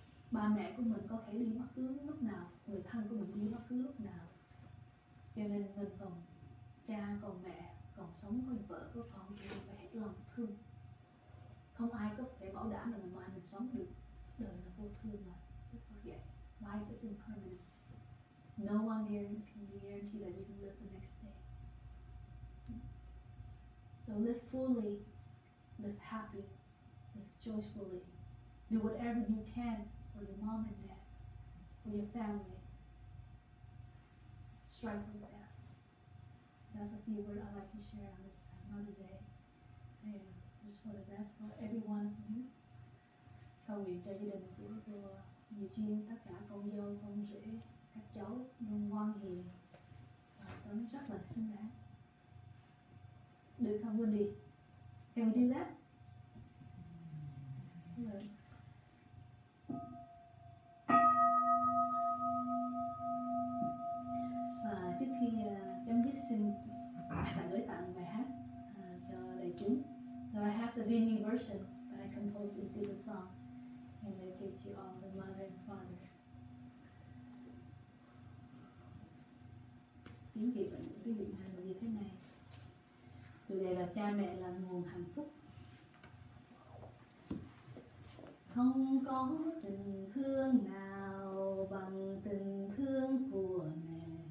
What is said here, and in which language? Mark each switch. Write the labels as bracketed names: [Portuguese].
[Vietnamese] Ba mẹ của mình có thể đi bất cứ lúc nào, người thân của mình đi bất cứ lúc nào. Cho nên mình còn cha, còn mẹ, còn sống với vợ, với con thì mình phải hết lòng thương. Không ai có thể bảo đảm là ngày mai mình sống được. Đời là vô thương mà. [English] Life is impermanent. No one here can guarantee that you can live the next day. So live fully, live happy, live joyfully. Do whatever you can for your mom and dad, for your family. Strive for the best. That's a few words I'd like to share on this another day. And just for the best for everyone of you. [Vietnamese] Cầu nguyện cho gia đình của Eugene, tất cả con dâu, con rể, các cháu luôn ngoan hiền và sống rất là xinh đẹp. Được không Wendy? [English] Can we do that? Good. [Vietnamese] Và trước khi chấm dứt xin gửi tặng bài hát cho đại chúng. [English] So I have the Vinny version that I composed into the song and I give to all the mother and father. [Vietnamese] Tiếng Việt và những tiếng Việt Nam là như thế này. Từ đây là cha mẹ là nguồn hạnh phúc. Không có tình thương nào bằng tình thương của mẹ.